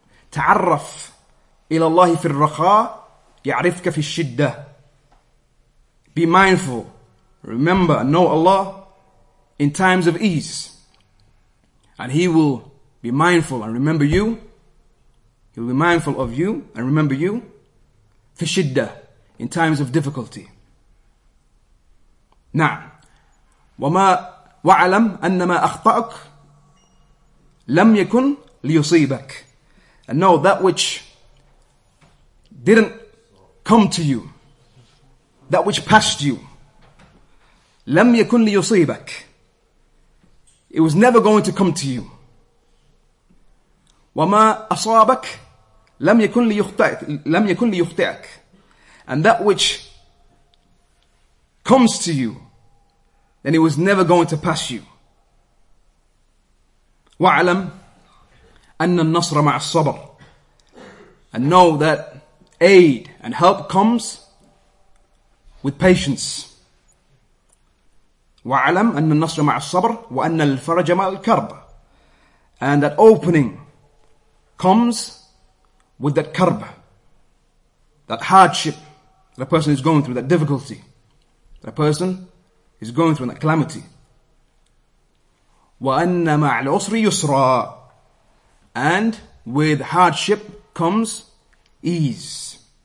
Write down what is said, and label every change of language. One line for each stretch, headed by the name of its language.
Arabic: تعرف إلى الله في الرخاء يعرفك في الشدة.
English: Be mindful, remember and know Allah in times of ease. And he will be mindful and remember you He will be mindful of you and remember you
Arabic: في الشدة,
English: in times of difficulty.
Arabic: نعم. وما وعلم أن ما أخطأك لم يكن ليصيبك.
English: And know that which didn't come to you, that which passed you,
Arabic: لم يكن ليصيبك.
English: It was never going to come to you.
Arabic: وما أصابك لم يكن ليخطئك. لم يكن ليخطئك.
English: And that which comes to you, then it was never going to pass you.
Arabic: وعلم أن النصر مع الصبر.
English: And know that aid and help comes with patience.
Arabic: وعلم أن النصر مع الصبر وأن الفرج مع الكرب.
English: And that opening comes with that karb, that hardship that a person is going through, that difficulty that a person is going through, that calamity.
Arabic: وَأَنَّ مَعَ الْعُسْرِ يُسْرًا.
English: And with hardship comes ease.